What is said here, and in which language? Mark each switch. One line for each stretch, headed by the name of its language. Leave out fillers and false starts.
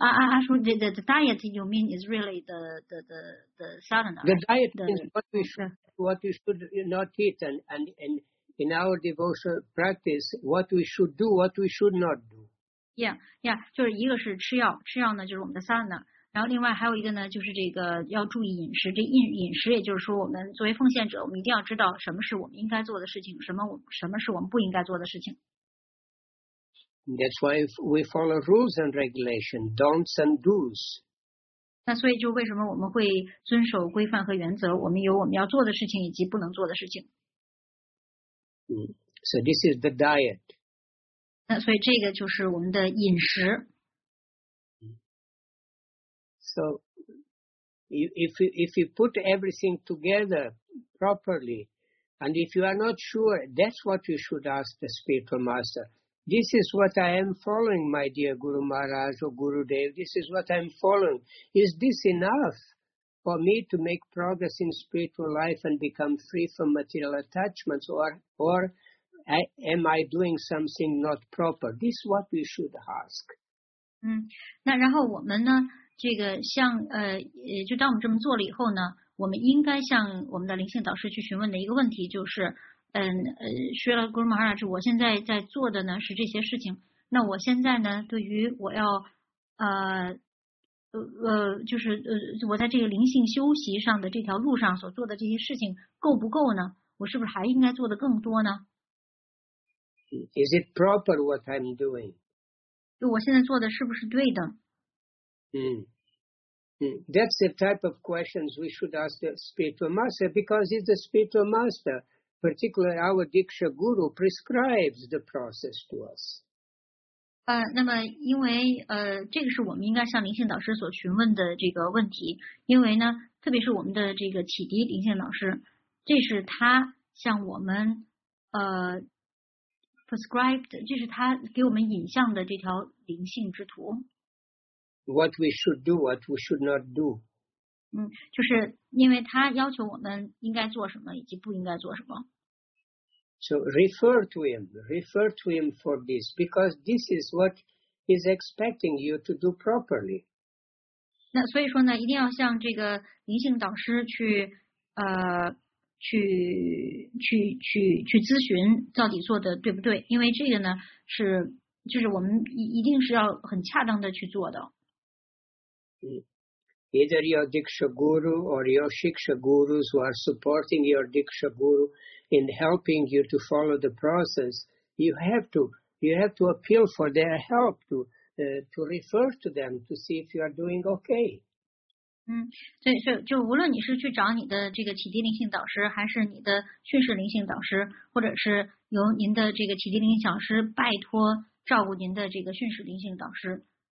Chinese: 其实，阿叔，
English: the diet you mean is really the sadhana, right? The diet means what we should not eat, and in our devotional practice, what we should do, what we should not do. Yeah,
Chinese: 就是一个是吃药呢，就是我们的 sadhana。然后另外还有一个呢，就是这个要注意饮食。这饮食也就是说，我们作为奉献者，我们一定要知道什么是我们应该做的事情，什么是我们不应该做的事情。
English: That's why we follow rules and regulations, don'ts and do's.
Chinese: 那所以就为什么我们会遵守规范和原则？我们有我们要做的事情以及不能做的事情。
English: So this is the diet.
Chinese: 那所以这个就是我们的饮食。
English: So if you put everything together properly, and if you are not sure, that's what you should ask the spiritual master. This is what I am following, my dear Guru Maharaj or Guru Dev. This is what I'm following. Is this enough for me to make progress in spiritual life and become free from material attachments, or am I doing something not proper? This is what you should ask.
Chinese: 那然后我们呢？这个像就当我们这么做了以后呢，我们应该向我们的灵性导师去询问的一个问题就是，学了 Guru Maharaj， 我现在在做的呢是这些事情。那我现在呢，对于我要我在这个灵性修习上的这条路上所做的这些事情够不够呢？我是不是还应该做的更多呢
English: ？Is it proper what I'm doing？
Chinese: 就我现在做的是不是对的？
English: That's the type of questions we should ask the spiritual master, because he's the spiritual master, particularly our Diksha Guru prescribes the process to us.
Chinese: 那么因为这个是我们应该向灵性导师所询问的这个问题，因为呢，特别是我们的这个启迪灵性导师，这是他向我们prescribed， 这是他给我们引向的这条灵性之途。
English: What we should do, what we should not do.
Chinese: 就是因为他要求我们应该做什么以及不应该做什么。
English: So refer to him for this, because this is what he's expecting you to do properly.
Chinese: 那所以说呢，一定要向这个灵性导师去咨询，到底做的对不对？因为这个呢是就是我们一定是要很恰当的去做的。
English: Either your Diksha Guru or your Shiksha Gurus who are supporting your Diksha Guru in helping you to follow the process, you have to appeal for their help to refer to them to see if you are doing okay.
Chinese: 所以就无论你是去找你的这个启迪灵性导师，还是你的训示灵性导师，或者是由您的这个启迪灵性导师拜托照顾您的这个训示灵性导师。